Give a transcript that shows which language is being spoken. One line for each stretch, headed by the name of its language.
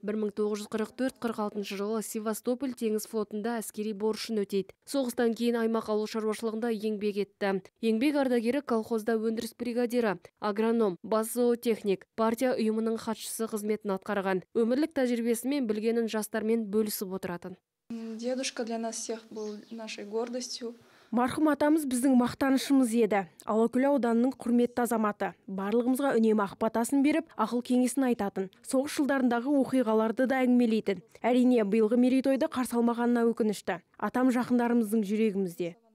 Kazakh: 1944-46 жылы Севастополь теңіз флотында әскери борышын өтейді. Соғыстан кейін аймақ ауыл шаруашылығында еңбек етті. Еңбек ардагері колхозда өндіріс бригадирі, агроном, бас зоотехник, партия ұйымының хатшысы қызметін атқарған. Өмірлік тәжірибесімен білгенін жастармен бөлісіп отыратын.
Russian: Дедушка для нас всех был нашей гордостью.
Kazakh: Мархым атамыз біздің мақтанышымыз еді. Алакөл ауданының құрметті азаматы. Барлығымызға үнемі ақпатасын беріп, ақыл кеңесін айтатын. Соғыс жылдарындағы оқиғаларды да әңгімелейтін. Әрине, биылғы мерейтойды қарсы алмағанына өкінішті. Атам жақындарымыздың жүрегімізде.